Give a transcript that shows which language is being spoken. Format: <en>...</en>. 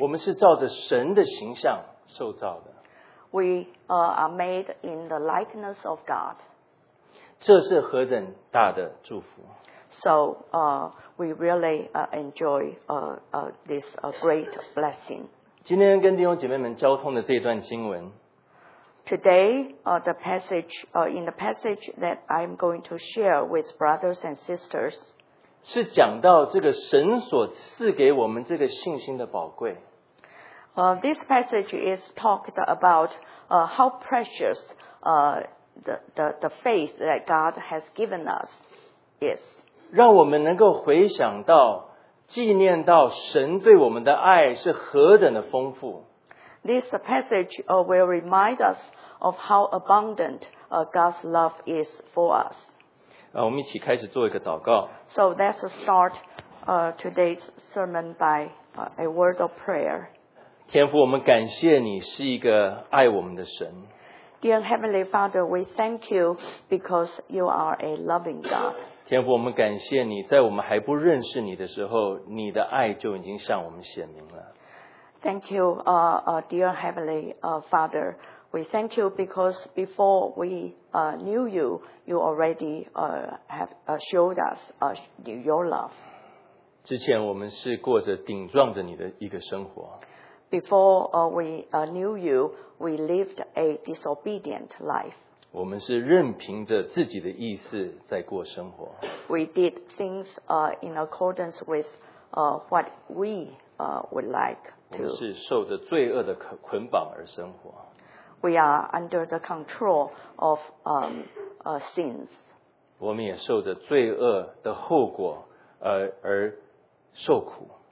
<zh>我们是照着神的形象受造的。</zh> <en>We are made in the likeness of God.</en> <zh>这是何等大的祝福。</zh> <en>So, we really enjoy this great blessing.</en> <zh>今天跟弟兄姐妹们交通的这段经文</zh> <en>，Today, the passage, in the passage that I'm going to share with brothers and sisters,</en> <zh>是讲到这个神所赐给我们这个信心的宝贵。</zh> <en>This passage is talked about, how precious, the faith that God has given us is.</en> <zh>让我们能够回想到。纪念到神对我们的爱是何等的丰富。</zh> <en>This passage will remind us of how abundant God's love is for us.</en> <zh>我们一起开始做一个祷告。</zh> <en>So let's start today's sermon by a word of prayer.</en> <zh>天父，我们感谢你是一个爱我们的神。</zh> <en>Dear Heavenly Father, we thank you because you are a loving God.</en> <zh>天父，我们感谢你，在我们还不认识你的时候，你的爱就已经向我们显明了。</zh> <en>Thank you, dear Heavenly Father. We thank you because before we knew you, you already have showed us your love.</en> <zh>之前我们是过着顶撞着你的一个生活。</zh> <en>Before we knew you, we lived a disobedient life.</en> <zh>我们是任凭着自己的意思在过生活。</zh> <en>We did things in accordance with what we would like to.</en> <zh>我们是受着罪恶的捆绑而生活。</zh> <en>We are under the control of sins.</en> <zh>我们也受着罪恶的后果而受苦。</zh>